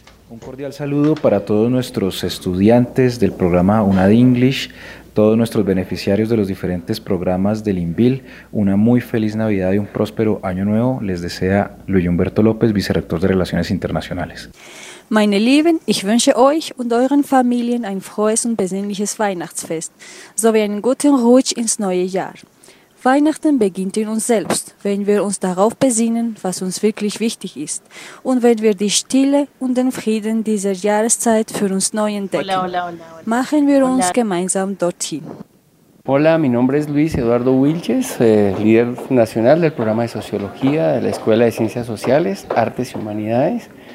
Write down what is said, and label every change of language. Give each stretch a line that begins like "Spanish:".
Spanish: Un cordial saludo para todos nuestros estudiantes del programa UNAD English, todos nuestros beneficiarios de los diferentes programas del INVIL. Una muy feliz Navidad y un próspero año nuevo les desea Luis Humberto López, vicerrector de Relaciones Internacionales.
German: Meine Lieben, ich wünsche euch und euren Familien ein frohes und besinnliches Weihnachtsfest sowie einen guten Rutsch ins neue Jahr. Weihnachten beginnt in uns selbst, wenn wir uns darauf besinnen, was uns wirklich wichtig ist und wenn wir die Stille und den Frieden dieser Jahreszeit für uns neu entdecken.
Spanish: Hola, hola, hola, hola.
German: Machen wir uns hola. Gemeinsam dorthin.
Spanish: Hola, mi nombre es Luis Eduardo Wilches, líder nacional del programa de Sociología de la Escuela de Ciencias Sociales, Artes y Humanidades.